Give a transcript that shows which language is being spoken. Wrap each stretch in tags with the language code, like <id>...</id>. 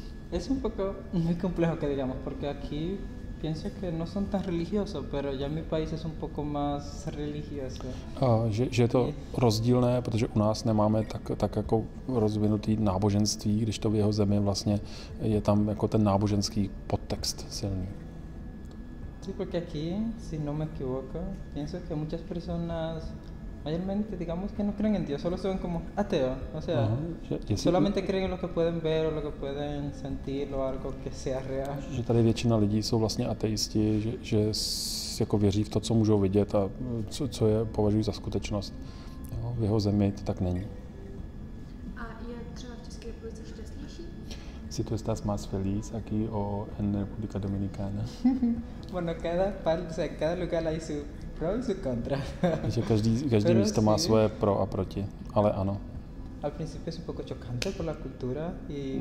<es>Es un poco muy complejo que digamos, porque aquí pienso que no son tan religiosos, pero ya mi país es un poco más religioso.</es> <cs>Že je to rozdílné, protože u nás nemáme tak jako rozvinutý náboženství, když to v jeho zemi vlastně je tam jako ten náboženský podtext silný.</cs> <es>Sí, porque aquí, si no me equivoco, pienso que muchas personas, mayormente, digamos que no creen en Dios, solo son como ateos, o sea, solamente creen en lo que pueden ver o lo que pueden sentir o algo que sea real.</es> <cs>Že tady většina lidí jsou vlastně ateisti, že jako věří v to, co můžou vidět a co je považují za skutečnost. Jo, v jeho zemi to tak není. A je třeba v České republice šťastnější?</cs> <es>Si tu estás más feliz aquí o en República Dominicana. Bueno, cada lugar hay su pro y su contra.</es> <cs>Takže každý místo má svoje pro a proti, ale ano.</cs> <es>Al principio es un poco chocante por la cultura y</es>